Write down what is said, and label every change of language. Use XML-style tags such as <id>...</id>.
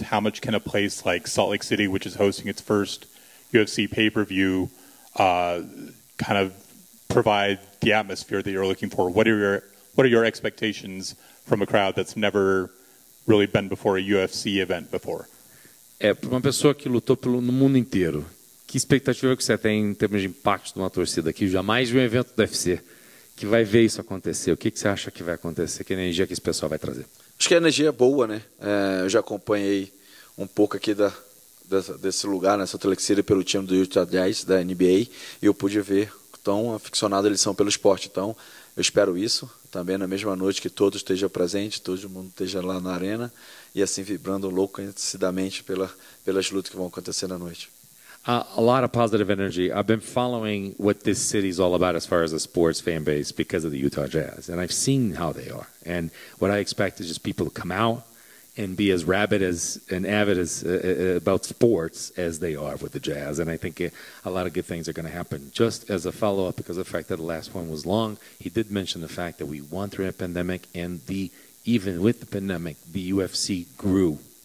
<en>How much can a place like Salt Lake City, which is hosting its first UFC pay-per-view, kind of provide the atmosphere that you're looking for? What are your expectations from a crowd that's never really been before a UFC event before?</en> <pt>Para uma pessoa que lutou no mundo inteiro, que expectativa que você tem em termos de impacto de uma torcida que jamais viu um evento do UFC? Que vai ver isso acontecer? O que você acha que vai acontecer? Que energia que esse pessoal vai trazer? Acho que a energia é boa, né? Eu já acompanhei um pouco aqui desse lugar, nessa telexíria, pelo time do Utah Jazz, da NBA, e eu pude ver quão aficionado eles são pelo esporte. Então, eu espero isso, também na mesma noite que todos estejam presentes, todo mundo esteja lá na arena, e assim vibrando loucamente pelas lutas que vão acontecer na noite.</pt> <en>A lot of positive energy. I've been following what this city's all about as far as a sports fan base because of the Utah Jazz, and I've seen how they are. And what I expect is just people to come out and be as rabid as and avid as about sports as they are with the Jazz. And I think a lot of good things are going to happen. Just as a follow-up, because of the fact that the last one was long, he did mention the fact that we won through a pandemic, and the even with the pandemic, the UFC grew.</en>